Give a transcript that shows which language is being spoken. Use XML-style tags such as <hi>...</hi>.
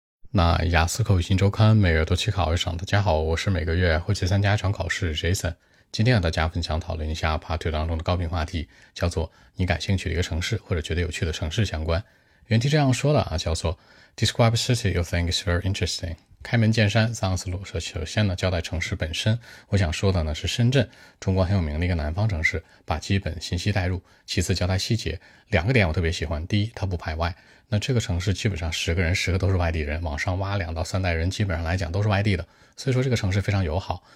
<zh>那雅思口语新周刊每月都去考一场。大家好，我是每个月会去参加一场考试 Jason。今天和大家分享讨论一下 Part 2当中的高频话题，叫做你感兴趣的一个城市或者觉得有趣的城市相关。原题这样说的啊，叫做</zh> <en>Describe a city you think is very interesting。</en> <zh>开门见山 ，sounds 啰嗦。首先呢，交代城市本身，我想说的呢是深圳，中国很有名的一个南方城市，把基本信息带入。其次交代细节，两个点我特别喜欢。第一，它不排外。那这个城市基本上十个人十个都是外地人，往上挖两到三代人，基本上来讲都是外地的，所以说这个城市非常友好。</zh>